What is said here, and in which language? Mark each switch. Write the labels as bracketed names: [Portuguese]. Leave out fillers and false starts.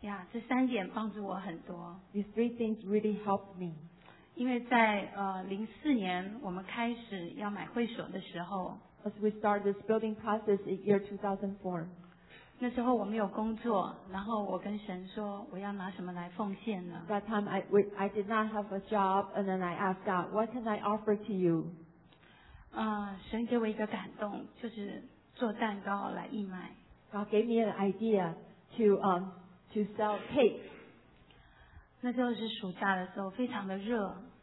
[Chinese] 呀，这三点帮助我很多。 [English] These three things really helped me. [Chinese] 因为在2004年我们开始要买会所的时候 [English] ，As we started this building process in year 2004. [Chinese] 那时候我没有工作，然后我跟神说我要拿什么来奉献呢 [English] ？That time I did not have a job, and then I asked God, "What can I offer to you?" [Chinese] 神给我一个感动，就是做蛋糕来义卖。 [English] God gave me an idea to sell cake. [Chinese] 那时候是暑假的时候，非常的热。